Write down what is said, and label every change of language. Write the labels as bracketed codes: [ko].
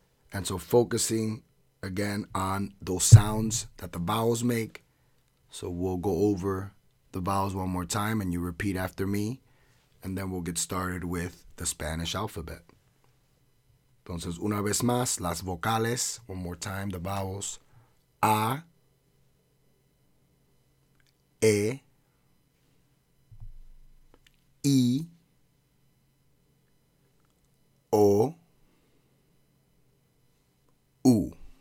[en] And so focusing, again, on those sounds that the vowels make. So we'll go over the vowels one more time, and you repeat after me. And then we'll get started with the Spanish alphabet. [es] Entonces, una vez más, las vocales. [en] One more time, the vowels. A. E. I. O. U.